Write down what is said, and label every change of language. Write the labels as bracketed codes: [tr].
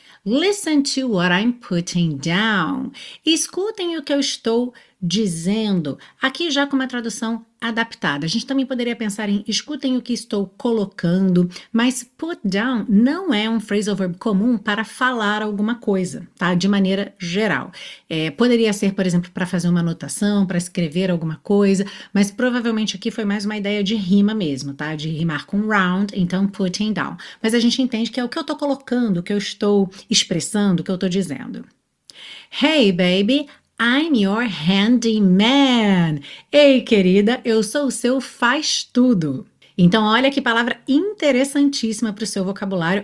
[en] Listen to what I'm putting down. [pt] Escutem o que eu estou dizendo. Aqui já com uma tradução adaptada. A gente também poderia pensar em escutem o que estou colocando, mas put down não é um phrasal verb comum para falar alguma coisa, tá? De maneira geral. Poderia ser, por exemplo, para fazer uma anotação, para escrever alguma coisa, mas provavelmente aqui foi mais uma ideia de rima mesmo, tá? De rimar com round, então putting down. Mas a gente entende que é o que eu estou colocando, o que eu estou expressando, o que eu estou dizendo. [en] Hey, baby. I'm your handyman. [pt] Ei, querida, eu sou o seu faz-tudo. Então, olha que palavra interessantíssima para o seu vocabulário.